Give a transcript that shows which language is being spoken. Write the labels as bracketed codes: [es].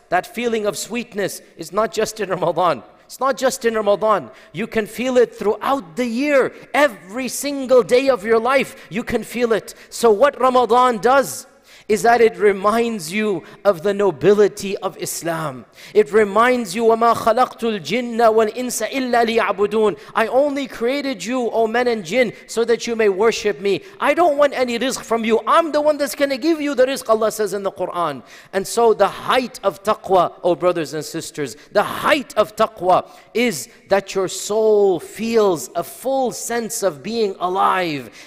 [en] That feeling of sweetness is not just in Ramadan. It's not just in Ramadan. You can feel it throughout the year, every single day of your life, you can feel it. So what Ramadan does is that it reminds you of the nobility of Islam. It reminds you, [ar] وَمَا خَلَقْتُ الْجِنَّ وَالْإِنسَ إِلَّا لِيَعْبُدُونَ. [en] I only created you, O men and jinn, so that you may worship me. I don't want any rizq from you. I'm the one that's gonna give you the rizq, Allah says in the Quran. And so the height of taqwa, O brothers and sisters, the height of taqwa is that your soul feels a full sense of being alive.